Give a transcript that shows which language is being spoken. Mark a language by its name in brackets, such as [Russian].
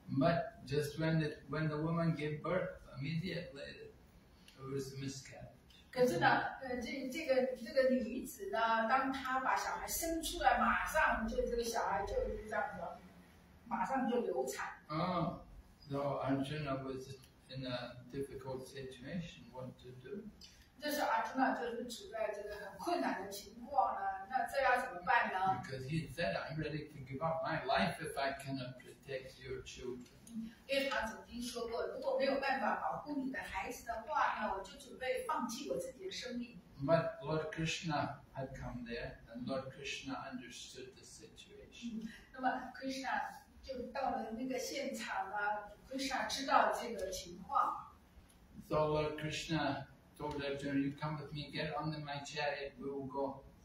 [English] But just when the woman gave birth, immediately there was a miscarriage. [Chinese] 可是呢，这个女子呢，当她把小孩生出来，马上就这个小孩就这样子。马上就流产。 [English] 嗯，那 Arjuna was in a difficult situation. What to do? [Chinese] 这时候 Arjuna 就是处在这个很困难的情况呢。那这要怎么办呢？ [English] Because he said, "I'm ready to give up my life if I cannot protect your children." [Chinese] 因为他曾经说过，如果没有办法保护你的孩子的话呢，我就准备放弃我自己的生命。 [English] But Lord Krishna had come there, and Lord Krishna understood the situation. [Chinese] 那么 Krishna 就到了那个现场了。 Krishna 知道这个情况。 [English] So Lord Krishna told Arjuna, "You come with me. Get on my chariot. We will go."